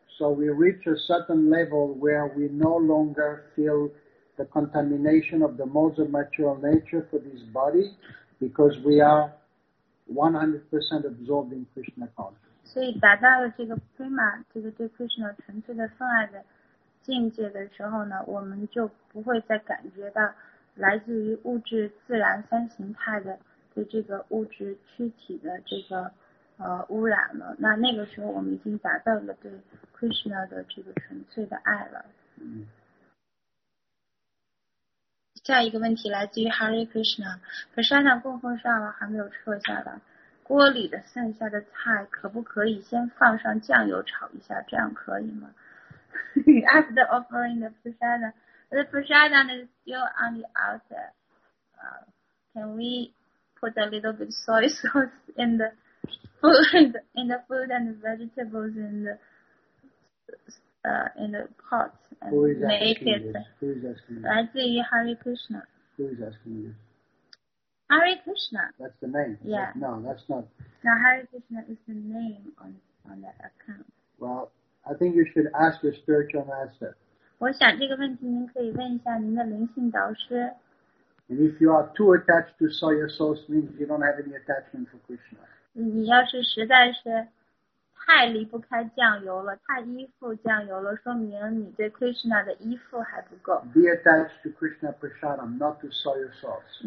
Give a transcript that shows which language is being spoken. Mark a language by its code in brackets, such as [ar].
[en] So we reach a certain level where we no longer feel the contamination of the modes of material nature for this body because we are 100% absorbed in Krishna consciousness. [zh] 所以达到了这个 Prema, 这个对 Krishna 纯粹的分爱的境界的时候呢，我们就不会再感觉到来自于物质自然三形态的对这个物质躯体的这个污染了。那那个时候我们已经达到了对 Krishna 的这个纯粹的爱了。嗯。下一个问题来自于 Hare Krishna， 可沙拉供奉上了还没有撤下来，锅里的剩下的菜可不可以先放上酱油炒一下，这样可以吗？ [en] After offering the prasadam, the prasadam is still on the altar. Can we put a little bit soy sauce in the food and the vegetables in the pot and make it? Who is asking you? [zh] 来自于 Hare Krishna. [en] Who is asking you? Hare Krishna. That's the name. Yeah. No, that's not. No, Hare Krishna is the name on that account. Well, I think you should ask your spiritual master. [zh] 我想这个问题您可以问一下您的灵性导师。 [en] And if you are too attached to soya sauce, means you don't have any attachment for Krishna. [zh] 你要是实在是太离不开酱油了，太依附酱油了，说明你对 Krishna 的依附还不够。 [en] Be attached to Krishna prasadam, not to soya sauce.